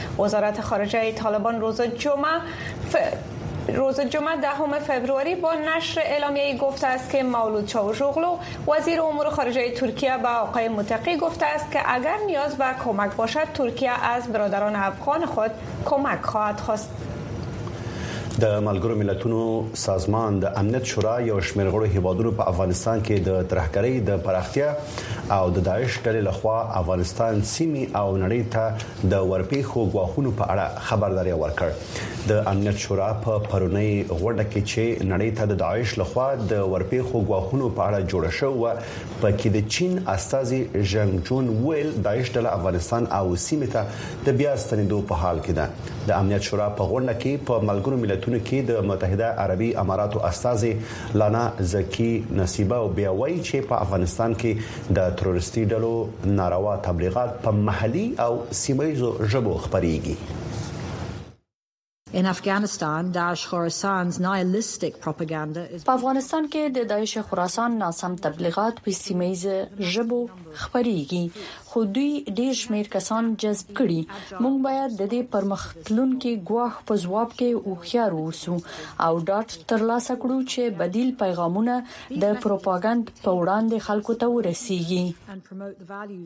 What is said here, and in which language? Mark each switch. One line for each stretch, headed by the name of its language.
Persian: وزارت خارجه طالبان روز جمعه 10 فوریه با نشر اعلامیه‌ای گفته است که مولود چاوشوغلو وزیر امور خارجه ترکیه به آقای متقی گفته است که اگر نیاز به کمک باشد ترکیه از برادران افغان خود کمک خواهد خواست.
Pashto: د ملګرو ملتونو سازمان د امنیت شورا یو شمیر غړو هیوادونو په افغانستان کې د ترهګرۍ د پراختیا او د داعش ډلې لخوا افغانستان سیمې او نړۍ ته د ورپېښو ګواښونو په اړه خبرداری ورکړ. د امنیت شورا په پرونۍ غونډه کې چې نړۍ ته د داعش لخوا د ورپېښو ګواښونو په اړه جوړه شوې وه، په کې د چین استازي ژنګ جون ویل داعش ډله افغانستان او سیمې ته د بیا ستنېدو په حال کې ده. د امنیت شورا په غونډه کې په ملګرو ملتونو کې د متحده عربي اماراتو استازي لانا زکی نصیبه او بیا وایي چې په افغانستان کې د تروریستي ډلو ناروا تبلیغات په محلي او سیمه ییزو ژبو خپریږي.
English: In Afghanistan, Daesh Khorasan's nihilistic propaganda is
Pashto: په افغانستان کې د داعش خراسان ناسم تبلیغات په سیمه ییزه ژبو خبريږي، خو دوی ډېر شمېر کسان جذب کړي. موږ باید د دې پرمختلونکي ګواښ په ځواب کې هوښیار اوسو او ډاډ ترلاسه کړو چې بدیل پیغامونه د پروپاګند په وړاندې خلکو ته ورسیږي.